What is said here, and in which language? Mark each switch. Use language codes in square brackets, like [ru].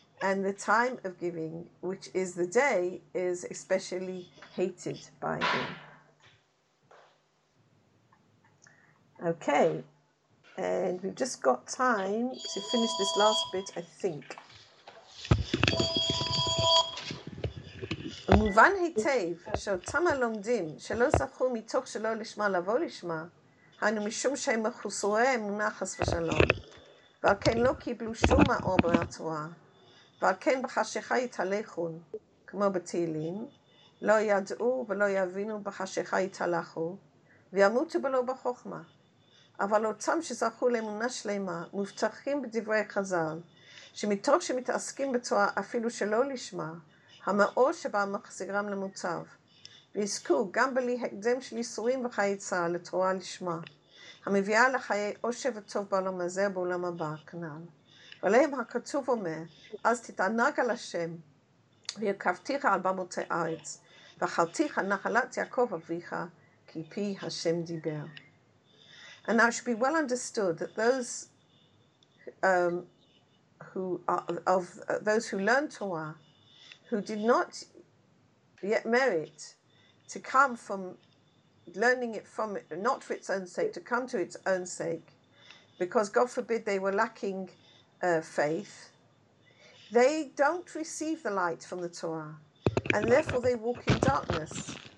[en] And the time of giving, which is the day, is especially hated by him. Okay. And we've just got time to finish this last bit, I think. [he] מובן היטב שאותם הלומדים שלא זכו מתוך שלא לשמה לבוא לשמה, היינו משום שהם מחוסרי אמונה חס ושלום, ועל כן לא קיבלו שום האור בתורה. ועל כן בחשיכה יתהלכו, כמו בתהילים, לא ידעו ולא יבינו בחשיכה יתהלכו, וימותו בלא בחוכמה. אבל אותם שזכו לאמונה שלמה, מובטחים בדברי חז"ל, שמתוך שמתעסקים בתורה אפילו שלא לשמה, המאור שבא מחזירם למוטב, ויזכו גם בלי הקדם של ייסורים וחיי צה"ל לתורה לשמה, המביאה לחיי עושר וטוב בעולם הזה ובעולם הבא, כנ"ל. ועליהם הכתוב אומר, אז תתענג על השם, וירכבתיך על במותי ארץ, ואכלתיך נחלת יעקב אביך, Kipi Hashem Diber. [en] And now it should be well understood that those who are of those who learned Torah, who did not yet merit to come from learning it from not for its own sake, to come to its own sake, because God forbid they were lacking faith, they don't receive the light from the Torah, and therefore they walk in darkness.